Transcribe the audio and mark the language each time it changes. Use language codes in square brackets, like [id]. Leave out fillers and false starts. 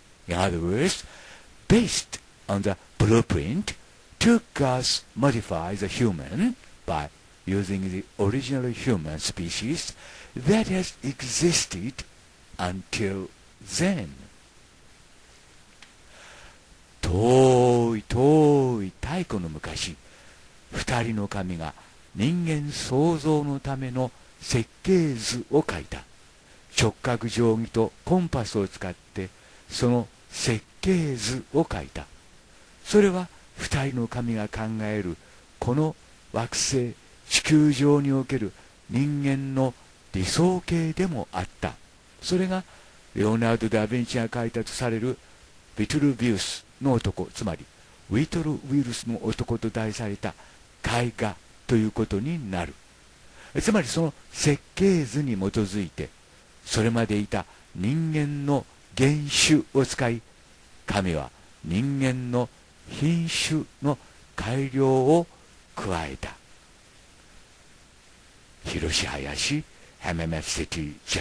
[en] In other words, based on the blueprint, two gods modify the human by using the original human species that has existed until then. [ja] 遠い遠い太古の昔、二人の神が人間創造のための設計図を描いた。直角定規とコンパスを使ってその設計図を描いた。それは二人の神が考えるこの惑星地球上における人間の理想形でもあった。それがレオナルド・ダ・ヴィンチが描いたとされるヴィトゥルヴィウスの男、つまりヴィトゥルヴィウスの男と題された絵画ということになる。つまりその設計図に基づいてそれまでいた人間の原種を使い、神は人間の品種の改良を加えた。広志林、MMF City